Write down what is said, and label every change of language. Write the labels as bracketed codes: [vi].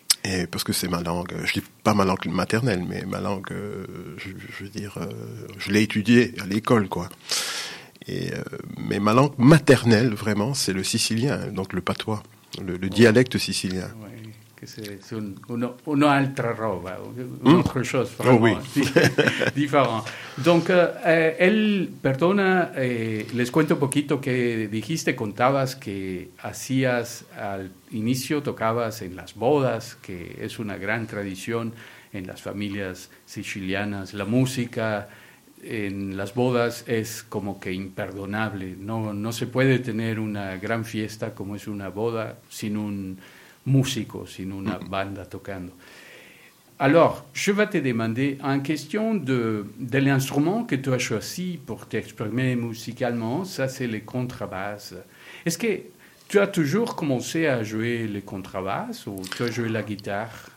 [fr] Et parce que c'est ma langue, je dis pas ma langue maternelle, mais ma langue, je veux dire, je l'ai étudiée à l'école, quoi. Mais ma langue maternelle, vraiment, c'est le sicilien, donc le patois, le dialecte sicilien. Oui, que c'est une autre roba, une autre chose, vraiment, oh oui. Différent. [es] Donc, perdona, les cuento un poquito que dijiste, contabas que hacías al inicio, tocabas en las bodas, que es una gran tradición en las familias sicilianas, la música en las bodas es como que imperdonable, no se puede tener una gran fiesta como es una boda sin un músico, sin una banda tocando. [fr] Alors, je vais te demander en question de l'instrument que tu as choisi pour t'exprimer musicalement, ça c'est les contrebasses. Est-ce que tu as toujours commencé à jouer les contrebasses ou tu as joué la guitare?